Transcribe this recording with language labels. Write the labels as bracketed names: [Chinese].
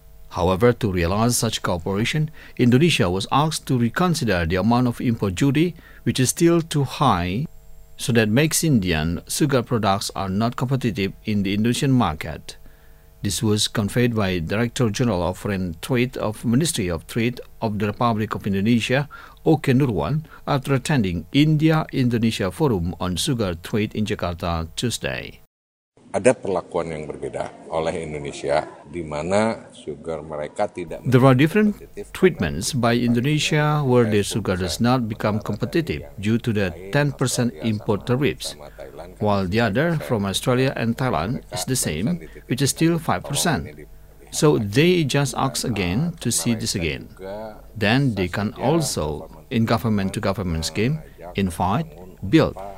[English] However, to realize such cooperation, Indonesia was asked to reconsider the amount of import duty, which is still too high, so that makes Indian sugar products are not competitive in the Indonesian market. This was conveyed by Director General of Foreign Trade of Ministry of Trade of the Republic of Indonesia, Oke Nurwan, after attending India-Indonesia Forum on Sugar Trade in Jakarta Tuesday. [Indonesian] Ada perlakuan yang berbeda oleh Indonesia di mana sugar mereka tidak. [English] There are different treatments by Indonesia where their sugar does not become competitive due to the 10% import tariffs, while the other from Australia and Thailand is the same, which is still 5%. So they just ask again to see this again. Then they can also, in government-to-government scheme, invite, build.